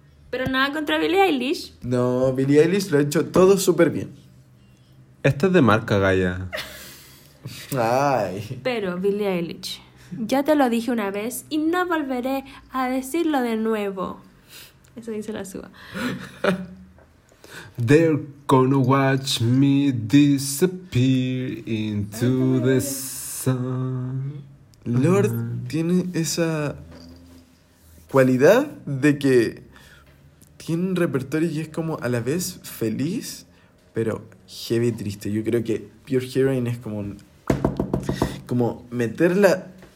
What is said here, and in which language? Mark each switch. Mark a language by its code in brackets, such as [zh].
[es] Pero nada contra Billie Eilish. No, Billie Eilish lo ha hecho todo súper bien. Esta es de marca, Gaia. Ay. Pero Billie Eilish... Ya te lo dije una vez y no volveré a decirlo de nuevo. Eso dice la suba. [en] They're gonna watch me disappear into the sun. [es] Lorde tiene esa cualidad de que tiene un repertorio y es como a la vez feliz, pero heavy triste. Yo creo que Pure Heroine es como un, como meterla...